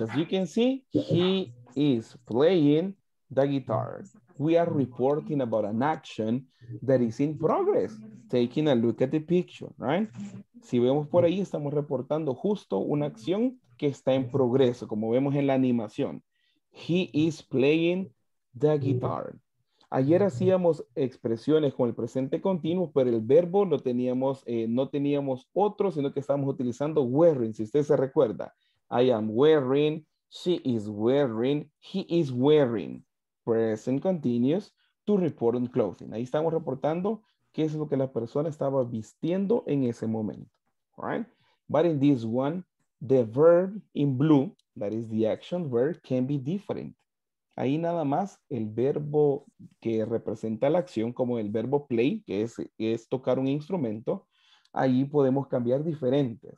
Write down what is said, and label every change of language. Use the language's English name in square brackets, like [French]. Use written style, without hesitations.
[English] As you can see, he is playing the guitar. We are reporting about an action that is in progress, taking a look at the picture, right? [Spanish] Si vemos por ahí, estamos reportando justo una acción que está en progreso, como vemos en la animación. [English] He is playing the guitar. [Spanish] Ayer hacíamos expresiones con el presente continuo, pero el verbo lo teníamos, no teníamos otro, sino que estábamos utilizando wearing, si usted se recuerda. [English] I am wearing, she is wearing, he is wearing. Present continuous to report on clothing. [Spanish] Ahí estamos reportando qué es lo que la persona estaba vistiendo en ese momento. [English] All right? But in this one, the verb in blue, that is the action verb, can be different. [Spanish] Ahí nada más el verbo que representa la acción, como el verbo play, que es tocar un instrumento, ahí podemos cambiar diferentes.